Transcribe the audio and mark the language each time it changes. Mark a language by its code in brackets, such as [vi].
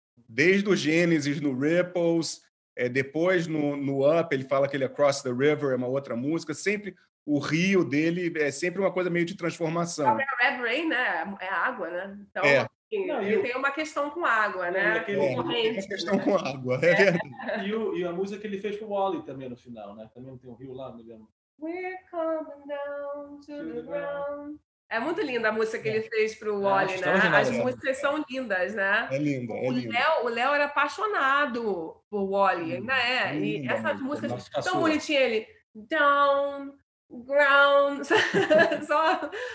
[pt] Desde o Gênesis, no Ripples, depois no Up, ele fala que ele é Cross the River, é uma outra música. Sempre o rio dele é sempre uma coisa meio de transformação. É Red Rain, né? É água, né? Então, é. Assim, não, ele tem uma questão com água, né? Tem uma questão com água, é verdade. E a música que ele fez com o Wally também no final, né? Também tem um rio lá, me lembro. [en] We're coming down to the ground. [pt] É muito linda a música que ele fez para o Wally, né? As músicas são lindas, né? É linda. O Léo era apaixonado por Wally, ainda é. Linda, e essas músicas tão bonitinhas, ele... Down, ground... Só...